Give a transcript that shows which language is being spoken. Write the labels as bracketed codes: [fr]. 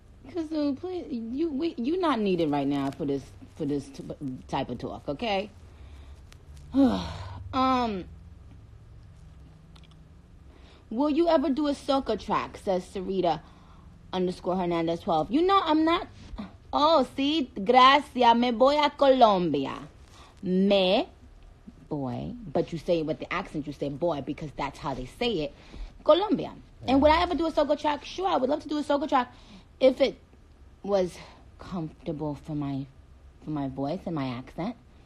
[en] Kazoo, please, you're not needed right now for this type of talk, okay? Will you ever do a soca track, says Sarita underscore Hernandez 12. You know, I'm not... [es] Oh, sí, gracias, me voy a Colombia. [en] Me, boy, but you say it with the accent, you say boy, because that's how they say it, Colombia. Yeah. And would I ever do a soca track? Sure, I would love to do a soca track if it was comfortable for my voice and my accent.